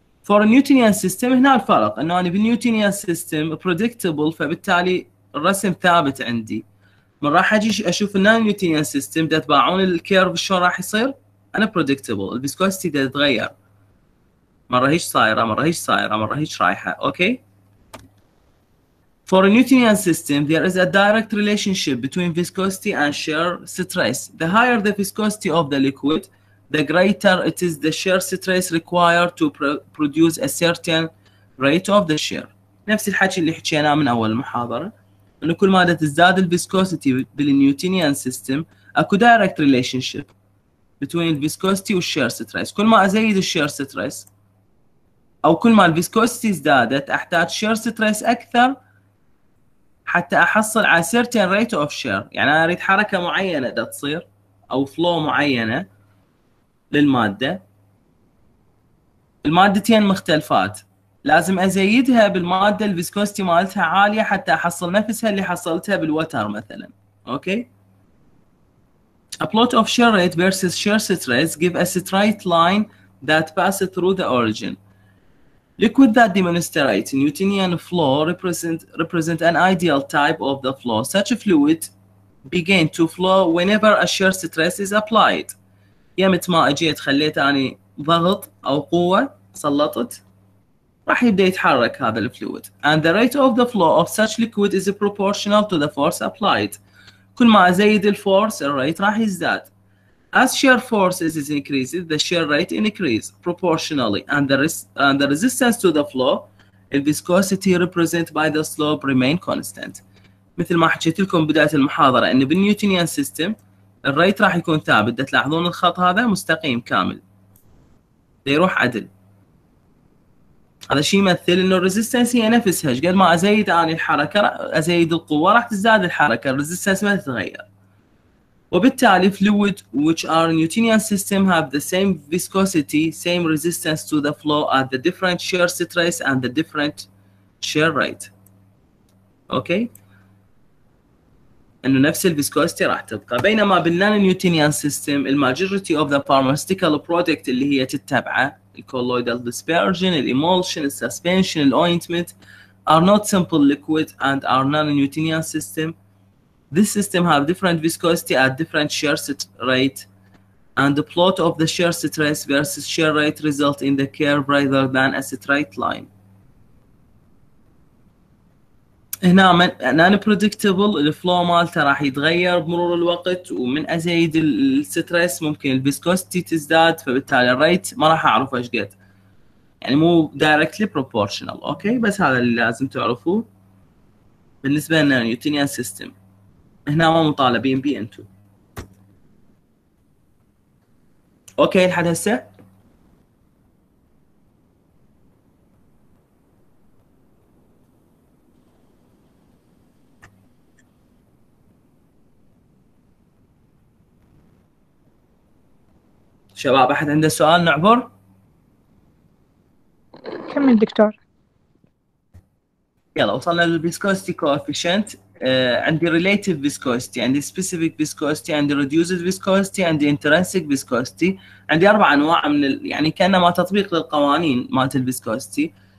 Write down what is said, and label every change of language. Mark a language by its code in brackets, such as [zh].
[en] For a Newtonian system [ar] هنا الفرق أنه أنا بالNewtonian system predictable فبالتالي الرسم ثابت عندي. من راح أجي أشوف النonNewtonian system ده تباعون الكيرف شو راح يصير؟ أنا predictable. الفيسكوستي ده تغير. مرة هيش صايرة مرة هيش صايرة مرة هيش رايحة. أوكي. [en] For a Newtonian system, there is a direct relationship between viscosity and shear stress. The higher the viscosity of the liquid, the greater it is the shear stress required to produce a certain rate of the shear. [ar] نفس الحكي اللي حكيناه من أول المحاضرة، إنه كل ما تزداد الفيسكوستي بالنيوتنيان سيستم، أكو [en] direct relationship between viscosity and shear stress. [ar] كل ما أزيد الشير ستريس أو كل ما الفيسكوستي ازدادت، أحتاج شير ستريس أكثر حتى احصل على [en] certain rate of shear. [ar] يعني انا اريد حركه معينه ده تصير او فلو معينه للماده، المادتين مختلفات لازم ازيدها بالماده الفيسكوستي مالتها عاليه حتى احصل نفسها اللي حصلتها بالوتر مثلا. [en] Okay a plot of shear rate versus shear stress give a straight line that passes through the origin. Liquid that demonstrates Newtonian flow represent an ideal type of the flow. Such a fluid begin to flow whenever a shear stress is applied. [ar] يمت ما اجيت خليت اني ضغط او قوة سلطت راح يبدأ يتحرك هذا الفلويد. [en] And the rate of the flow of such liquid is proportional to the force applied. [ar] كل ما ازيد الفورس الريت راح يزداد. [en] As shear forces is increased, the shear rate increases proportionally, and the resistance to the flow, the viscosity represented by the slope remain constant. [ar] مثل ما حكيت لكم بداية المحاضرة إنه بالنيوتنيان سيستم الريت راح يكون ثابت. تلاحظون الخط هذا مستقيم كامل. يروح عدل. هذا شيء يمثل إنه الريزستنس هي نفسها. قد ما أزيد أنا الحركة أزيد القوة راح تزداد الحركة. الريزستنس ما تتغير. [en] وبالتالي fluid which are Newtonian system have the same viscosity, same resistance to the flow at the different shear stress and the different shear rate. [ar] Okay? إنه نفس ال viscosity راح تبقى. بينما بالنان [en] Newtonian system the majority of the pharmaceutical product [ar] اللي هي تتبعة [en] colloidal dispersion, emulsion, suspension, ointment are not simple liquid and are non-Newtonian system. This system have different viscosity at different shear rate and the plot of the shear stress versus shear rate result in the curve rather than a straight line. [ar] هنا نان بريدكتبل الفلو مالته راح يتغير بمرور الوقت ومن ازيد الستريس ممكن الفيسكوستي تزداد فبالتالي الريت ما راح اعرف ايش قد يعني مو دايركتلي بروبورشنال. اوكي بس هذا اللي لازم تعرفوه بالنسبه لنا نيوتنيان سيستم. هنا ما مطالبين بي انتو. اوكي لحد هسه شباب احد عنده سؤال نعبر؟ كمل دكتور. يلا وصلنا للبيسكوستي كوفيشنت. [en] عندي relative viscosity, عندي specific viscosity, عندي reduced viscosity, عندي intrinsic viscosity. [ar] عندي أربع أنواع من يعني كأنما تطبيق للقوانين مالت الviscosity.